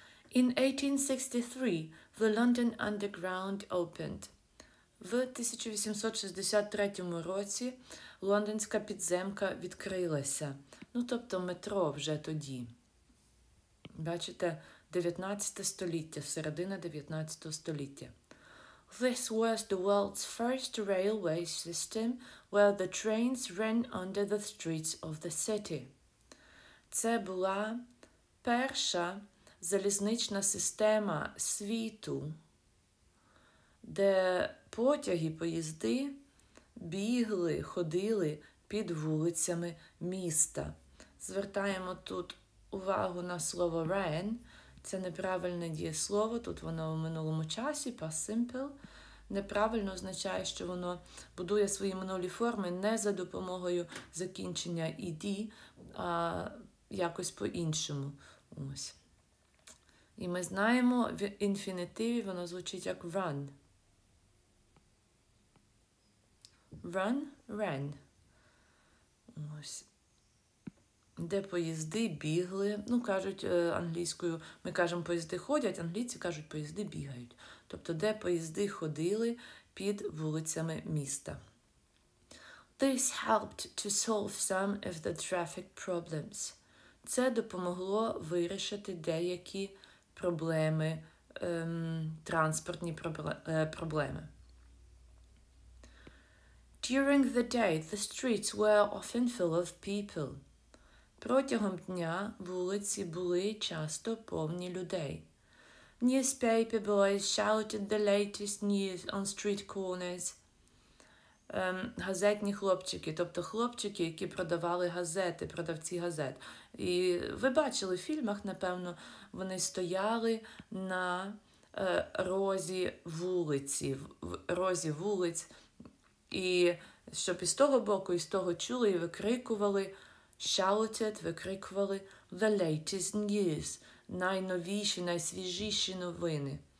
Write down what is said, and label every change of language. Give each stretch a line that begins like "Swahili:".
English: In 1863, the London Underground opened.
Ukrainian: В 1863 році лондонська підземка відкрилася. Ну, тобто метро вже тоді. Бачите, 19 століття, середина 19 століття.
English: This was the world's first railway system where the trains ran under the streets of the city.
Ukrainian: Це була перша залізнична система світу, де потяги, поїзди бігли, ходили під вулицями міста. Звертаємо тут увагу на слово ran. Це неправильне дієслово, тут воно в минулому часі, past simple. Неправильно означає, що воно будує свої минулі форми не за допомогою закінчення ed, а якось по-іншому. Ось. І ми знаємо, в інфінітиві воно звучить як run.
English: Run, ran.
Ukrainian: Ось. Де поїзди бігли. Ну, кажуть англійською, ми кажемо поїзди ходять, англійці кажуть поїзди бігають. Тобто, де поїзди ходили під вулицями міста.
English: This helped to solve some of the traffic problems.
Ukrainian: Це допомогло вирішити деякі проблеми, транспортні проблеми.
English: During the day, the streets were often full of people.
Ukrainian: Протягом дня вулиці були часто повні людей.
English: Newspaper boys shouted the latest news on street corners.
Ukrainian: Газетні хлопчики, тобто хлопчики, які продавали газети, продавці газет. І ви бачили в фільмах, напевно, вони стояли на розі вулиць, і щоб із того боку, із того чули, і викрикували, shouted, викрикували
English: the latest news,
Ukrainian: найновіші, найсвіжіші новини.